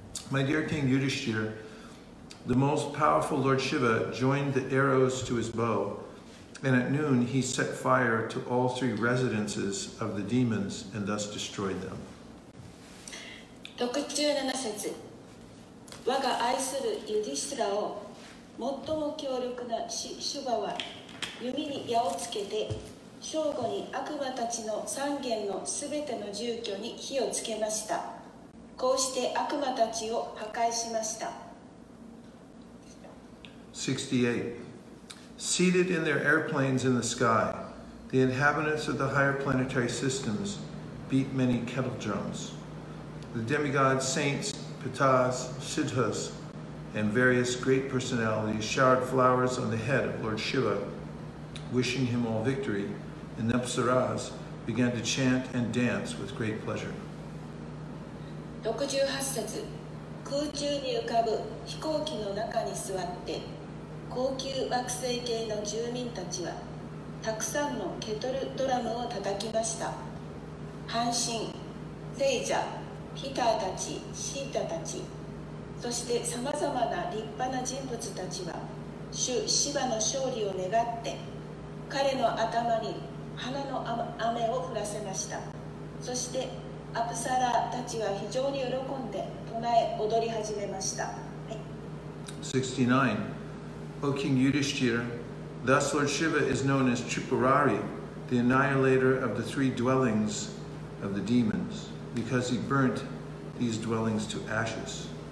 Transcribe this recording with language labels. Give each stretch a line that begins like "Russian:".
English: My dear King Yudhishthira, the most powerful Lord Shiva joined the arrows to his bow, and at noon he set fire to all three residences of the demons and thus destroyed them.
Japanese: 67節。我が愛するユディシュラを最も強力なシュバは弓に矢をつけて正午に悪魔たちの三軒のすべての住居に火をつけました。こうして悪魔たちを破壊しました。
English: 68. Seated in their airplanes in the sky, the inhabitants of the higher planetary systems beat many kettle drums. The demigods, saints, pitas, siddhas, and various great personalities showered flowers on the head of Lord Shiva, wishing him all victory, and the apsaras began to chant and dance with great pleasure.
Japanese: 68節。空中に浮かぶ飛行機の中に座って高級惑星系の住民たちはたくさんのケトルドラムを叩きました。半身、セイジャ、ヒターたち、シータたち、そしてさまざまな立派な人物たちは主シヴァの勝利を願って彼の頭に花の雨を降らせました。そしてアプサラたちは非常に喜んで唱え踊り始めました、
English: はい、69. O King Yudhishthira, thus Lord Shiva is known as Tripurari, the annihilator of the three dwellings of the demons, because he burnt these dwellings to ashes.